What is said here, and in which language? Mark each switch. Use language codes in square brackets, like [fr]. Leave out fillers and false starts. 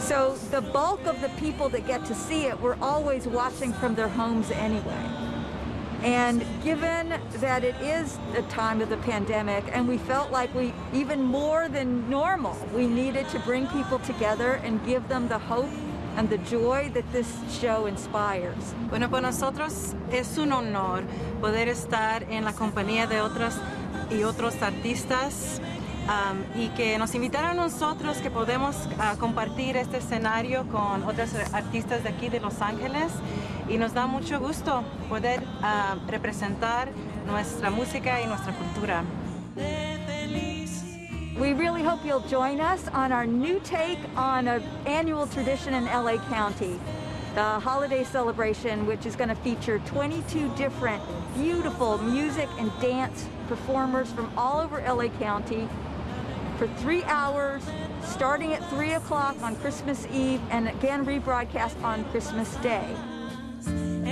[en] So the bulk of the people that get to see it, we're always watching from their homes anyway. And given that it is the time of the pandemic, and we felt like we, even more than normal, we needed to bring people together and give them the hope and the joy that this show inspires. [es] Bueno, para nosotros es un honor poder estar en la compañía de otras y otros artistas y que nos invitaran a nosotros que podemos compartir este escenario con otras artistas de aquí de Los Ángeles. Y nos da mucho gusto poder representar nuestra música y nuestra cultura. [en] We really hope you'll join us on our new take on an annual tradition in LA County, the holiday celebration, which is going to feature 22 different beautiful music and dance performers from all over LA County for 3 hours, starting at 3 o'clock on Christmas Eve and again rebroadcast on Christmas Day.